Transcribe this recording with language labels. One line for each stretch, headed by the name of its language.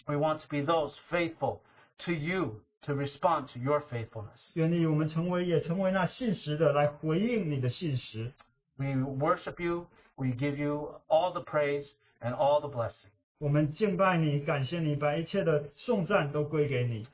English: We want to be those faithful to you to respond to your faithfulness.
Chinese: 愿你我们成为也成为那信实的来回应你的信实。
English: We worship you, we give you all the praise and all the blessing.
Chinese: 我们敬拜你，感谢你，把一切的颂赞都归给你。